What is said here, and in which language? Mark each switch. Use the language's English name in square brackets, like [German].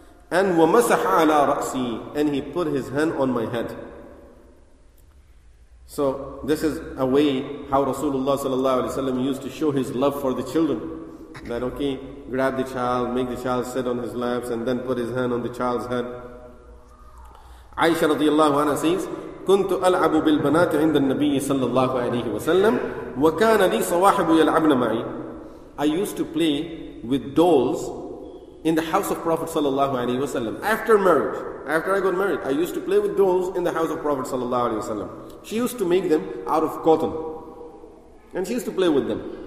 [English] And [Arabic] وَمَسَحَ عَلَىٰ رَأْسِي, [English] and he put his hand on my head. So this is a way how Rasulullah sallallahu alayhi wa sallam used to show his love for the children. That okay, grab the child, make the child sit on his laps, and then put his hand on the child's head. [Arabic] Aisha radiallahu anha says, كُنْتُ أَلْعَبُ بِالْبَنَاتِ عِنْدَ النَّبِيِّ صَلَّى اللَّهُ عَلَيْهِ وَسَلَّمْ وَكَانَ لِي صَوَاحِبُ يَلْعَبْنَ مَعِي. [English] I used to play with dolls in the house of Prophet sallallahu alayhi wa sallam. After I got married, I used to play with dolls in the house of Prophet sallallahu alayhi wa sallam. She used to make them out of cotton. And she used to play with them.